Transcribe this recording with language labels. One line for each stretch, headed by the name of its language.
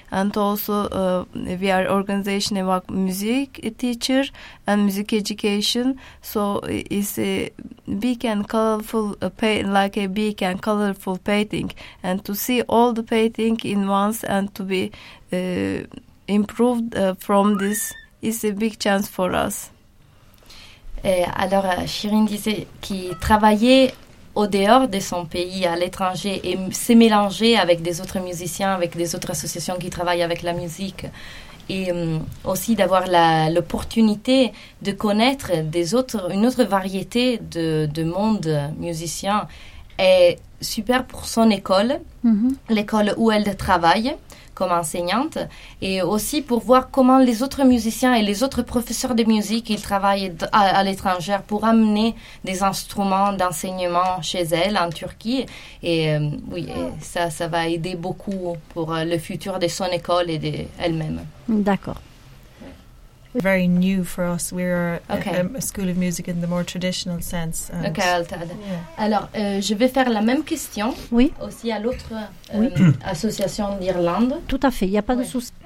English: And also we are organization about music teacher and music education. So it's a big and colorful, like a big and colorful painting. And to see all the painting in once and to be improved from this, it's a big chance for us.
French: Et alors, Shirin disait qu'il travaillait au dehors de son pays, à l'étranger, et s'est mélangé avec des autres musiciens, avec des autres associations qui travaillent avec la musique. Et aussi d'avoir l'opportunité de connaître une autre variété de monde musicien est super pour son école, l'école où elle travaille comme enseignante, et aussi pour voir comment les autres musiciens et les autres professeurs de musique, ils travaillent à l'étranger pour amener des instruments d'enseignement chez elles en Turquie. Et oui, et ça va aider beaucoup pour le futur de son école et d'elle-même. D'accord.
English: Very new for us. We're a school of music in the more traditional sense. Okay, Altad. Yeah.
French: Alors, je vais faire la même question aussi à l'autre association d'Irlande. Tout à fait, il n'y a pas de souci.